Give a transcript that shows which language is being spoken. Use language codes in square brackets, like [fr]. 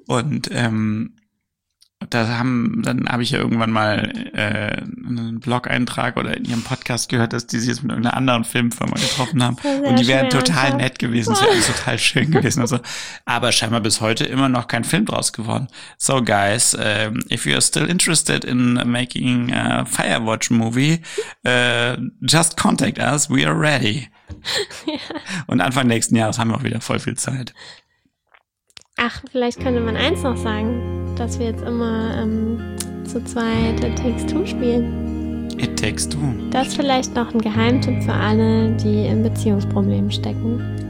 [de] Und dann habe ich ja irgendwann mal einen Blog-Eintrag oder in ihrem Podcast gehört, dass die sich jetzt mit einer anderen Filmfirma getroffen haben. Und die wären total nett gewesen, sie wären total schön gewesen und so. Aber scheinbar bis heute immer noch kein Film draus geworden. [en] So guys, if you are still interested in making a Firewatch movie, just contact us, we are ready. [de] Ja. Und Anfang nächsten Jahres haben wir auch wieder voll viel Zeit. Ach, vielleicht könnte man eins noch sagen, dass wir jetzt immer zu zweit It Takes Two spielen. It Takes Two. Das ist vielleicht noch ein Geheimtipp für alle, die in Beziehungsproblemen stecken.